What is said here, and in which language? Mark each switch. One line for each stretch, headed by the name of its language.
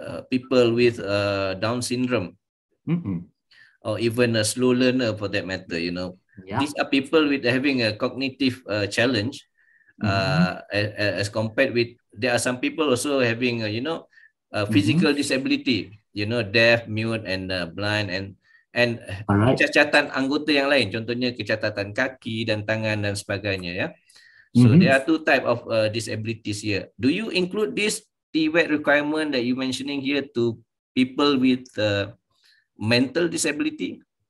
English: People with Down syndrome, or even a slow learner, for that matter, you know. Yeah. These are people with having a cognitive challenge, as compared with there are some people also having physical disability. You know, deaf, mute, and blind, and
Indonesian: cacatan anggota yang lain. Contohnya kecacatan kaki dan tangan dan sebagainya.
English: Yeah. So there are two type of disabilities here. Do you include this TVET requirement that you mentioning here to people with mental disability?